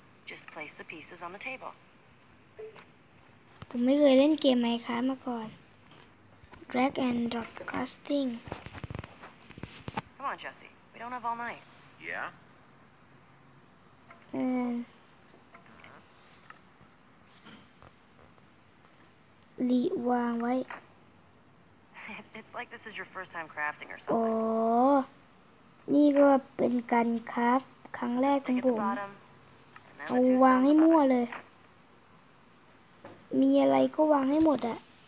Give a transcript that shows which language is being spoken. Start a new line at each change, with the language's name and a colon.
English: Just place the pieces on the table.
Thai: ผมไม่เคยเล่นเกมไมค์ครับมาก่อน
English: Drag and drop casting. Come on, Jesse. We don't have all night. Yeah.
Thai: รีวางไว้
English: It's like this is your first time crafting or something.
Thai: นี่ก็เป็นการคราฟครั้งแรกของผมเอาวางให้มั่วเลยมีอะไรก็วางให้หมดอ่ะ